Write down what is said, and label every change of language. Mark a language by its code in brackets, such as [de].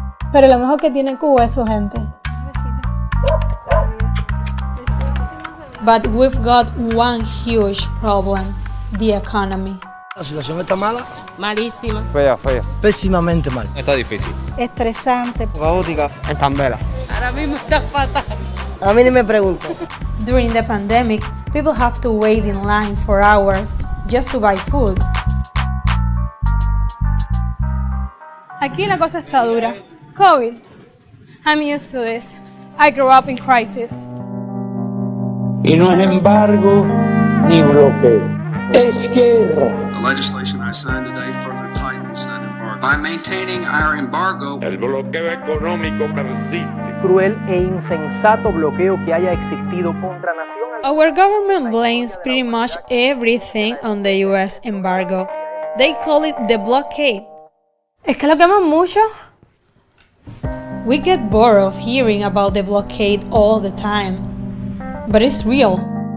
[es] Pero lo mejor que tiene Cuba es su gente. [en] But we've got one huge problem, the economy. [es] La situación está mala. Malísima. Fea, fea. Pésimamente mal. Está difícil. Estresante. Caótica. En candela. Ahora mismo está fatal. A mí ni me pregunto. [en] During the pandemic, people have to wait in line for hours just to buy food. [es] Aquí la cosa está dura. COVID. [en] I'm used to this. I grew up in crisis. [es] Y no es embargo ni bloqueo. Es guerra. [en] The legislation I signed today further tightens that embargo. By maintaining our embargo, [es] el bloqueo económico persiste. Cruel e insensato bloqueo que haya existido contra nación. [en] Our government blames pretty much everything on the US embargo. They call it the blockade. [es] Es que lo queman mucho. [en] We get bored of hearing about the blockade all the time. But it's real.